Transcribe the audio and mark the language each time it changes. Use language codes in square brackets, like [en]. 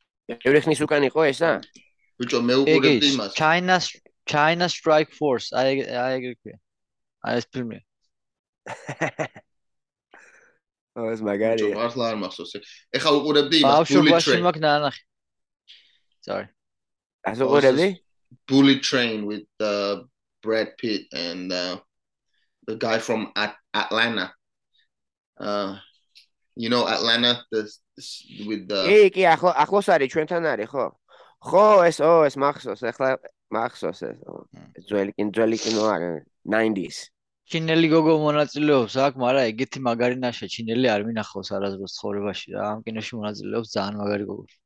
[ka] ევრესნის უკან იყო ესა? ბიჭო მე უყურებდი იმას. China strike force. აი ეგ ქვია. აი ეს ფილმი. აა ეს მაგარია. ბიჭო ახლა არ მახსოვს. ეხა უყურებდი იმას. ბავშვი ბავშვი მაგ ნანახი. [en] Sorry. [ka] ასე უყურებდი? [en] Bullet train with Brad Pitt and the guy from Atlanta. You know Atlanta this with the [ka] Hey, კი, ახლოს არის ჩვენთან არის, ხო? ხო, ეს ო, ეს მახსოვს, ახლა მახსოვს ეს. ძველი კინო არის 90s. ჩინელი გოგო მონაწილეობს აქ, მაგრამ ეგეთი მაგარი ნაშა ჩინელი არ მინახავს არასდროს ცხოვრებაში რა. ამ კინოში მონაწილეობს ძალიან მაგარი გოგო.